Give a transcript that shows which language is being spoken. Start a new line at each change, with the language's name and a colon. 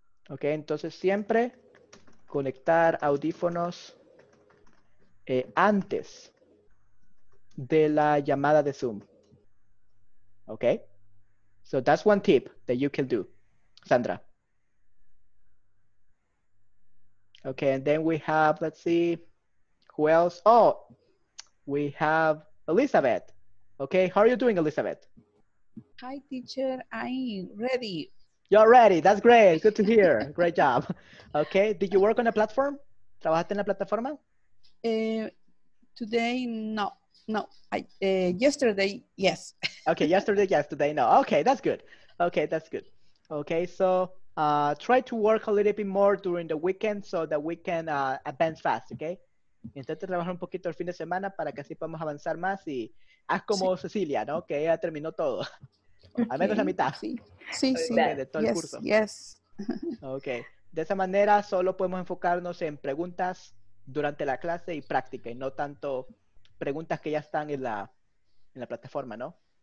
Spanish: Ok, entonces siempre conectar audífonos antes de la llamada de Zoom.
English: Ok, so that's one tip that you can do, Sandra. Ok, and then we have, let's see, who else? Oh, we have Elizabeth. Ok, how are you doing, Elizabeth? Hi, teacher, I'm ready. You're ready. That's great. Good to hear. Great job. Okay. Did you work on a platform?
Spanish: ¿Trabajaste en la plataforma?
English: Today, no. No. Yesterday, yes. Okay. Yesterday, yes. Today, no. Okay. That's good. Okay. That's good. Okay. So try to work a little bit more during the weekend so that we can advance fast. Okay.
Spanish: Intenta trabajar un poquito el fin de semana para que así podamos avanzar más y haz como sí. Cecilia, ¿no? Que ella terminó todo. Okay. Al menos la mitad. Sí, sí, sí. Okay, de todo
English: yes,
Spanish: el curso.
English: Yes. Okay.
Spanish: De esa manera solo podemos enfocarnos en preguntas durante la clase y práctica y no tanto preguntas que ya están en la plataforma, ¿no?